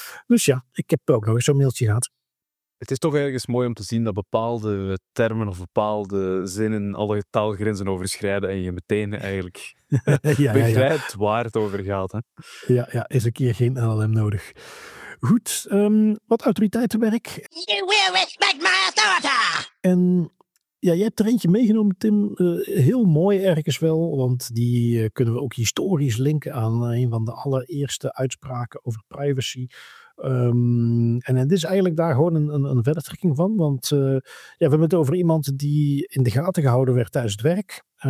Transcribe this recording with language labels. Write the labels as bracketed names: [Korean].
[Dutch] Dus ja, ik heb ook nog eens zo'n mailtje gehad. Het is toch ergens mooi om te zien dat bepaalde termen of bepaalde zinnen alle taalgrenzen overschrijden en je meteen eigenlijk begrijpt waar het over gaat. Hè? Ja, is een keer geen LLM nodig. Goed, wat autoriteitenwerk. [English] You will respect my authority. [Dutch] En ja, jij hebt er eentje meegenomen, Tim. Heel mooi ergens wel, want die kunnen we ook historisch linken aan een van de allereerste uitspraken over privacy. En dit is eigenlijk daar gewoon een verdertrekking van, want we hebben het over iemand die in de gaten gehouden werd tijdens het werk.